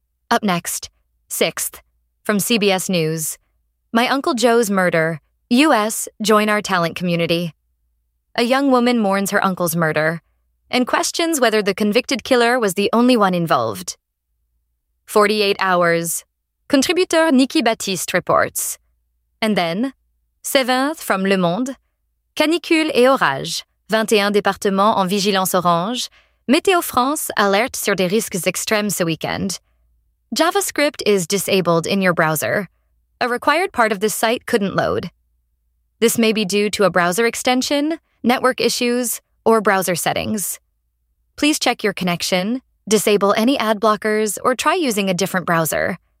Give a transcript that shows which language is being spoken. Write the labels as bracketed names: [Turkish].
[English] Up next, sixth, from CBS News, My Uncle Joe's Murder, U.S. Join Our Talent Community. A young woman mourns her uncle's murder and questions whether the convicted killer was the only one involved. 48 hours, contributor Nikki Baptiste reports. And then, Seventh from [French] Le Monde, canicule et orage, 21 départements en vigilance orange, Météo France alerte sur des risques extrêmes ce weekend. [English] JavaScript is disabled in your browser. A required part of this site couldn't load. This may be due to a browser extension, network issues, or browser settings. Please check your connection, disable any ad blockers, or try using a different browser.